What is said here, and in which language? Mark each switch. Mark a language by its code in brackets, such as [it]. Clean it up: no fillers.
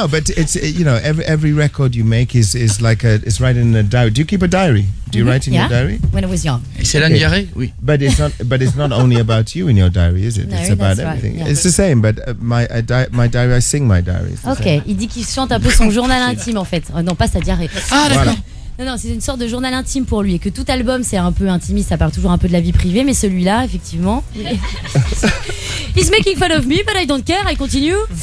[en] But it's, you know, every record you make is like it's writing in a diary. Do you keep a diary? Do you write in your diary? When I was young. [fr] C'est un diary? Oui. [en] But it's not only about you in your diary, is it? No, it's about everything. Yeah. It's the same, but my diary, I sing my diaries. [fr] Ok, il dit qu'il chante un peu son journal intime en fait. Non, pas sa diarrhée. Ah, d'accord. Voilà. Non, c'est une sorte de journal intime pour lui. Et que tout album, c'est un peu intimiste, ça parle toujours un peu de la vie privée. Mais celui-là, effectivement. [en] He's making fun of me, but I don't care, I continue.